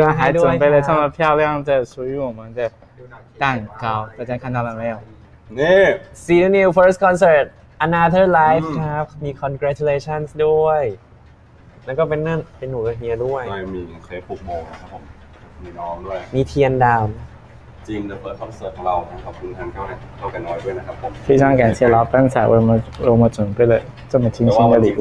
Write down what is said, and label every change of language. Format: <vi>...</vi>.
<th>ไว้ให้ด้วยที่ร้าน</th> <zh>还准备了这么漂亮的属于我们的蛋糕大家看到了没有</zh> <th>นี่</th> <en>See the new first concert another life</en> <th>ครับมี congratulations ด้วยแล้วก็เป็นนั่นเป็นหนูกับเฮียด้วย มีเค้กผูกโบนะครับผมมีน้องด้วย มีเทียนดาว จริง</th> <en>the first concert</en> <th>ของเราขอบคุณทางเจ้าแกนอยด้วยนะครับผม</th> <zh>非常感谢老板仔为我们准备了这么精心的礼物</zh>